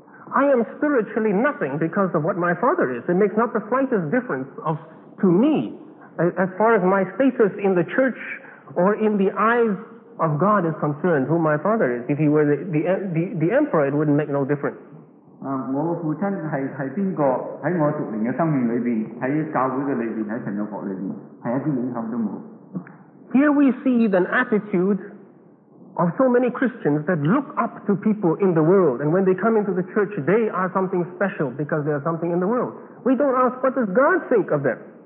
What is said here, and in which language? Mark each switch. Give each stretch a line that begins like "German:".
English: I am spiritually nothing because of what my father is. It makes not the slightest difference of to me as far as my status in the church or in the eyes of God is concerned. Who my father is, if he were the emperor, it wouldn't make no difference.
Chinese: 我的父親是誰在我屬靈的生命裏面，在教會的裏面，在神的國裏面，是一點影響都沒有。
English: Here we see an attitude of so many Christians that look up to people in the world, and when they come into the church, they are something special because they are something in the world. We don't ask, what does God think of them?